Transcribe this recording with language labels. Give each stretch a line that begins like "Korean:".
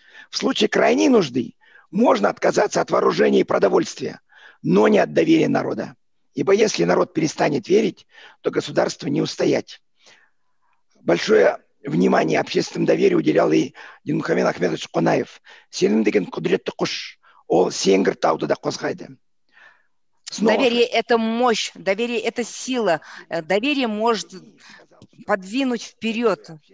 Russian: В случае крайней нужды можно отказаться от вооружения и продовольствия, но не от доверия народа. Ибо если народ перестанет верить, то государству не устоять. Большое внимание общественному доверию уделял и Динмухамед Ахметович Конаев.
Kazakh: Сенім деген құдіретті күш, ол сенгір тауды да қозғайды.
Russian: Доверие – это мощь, доверие – это сила. Доверие может подвинуть вперед.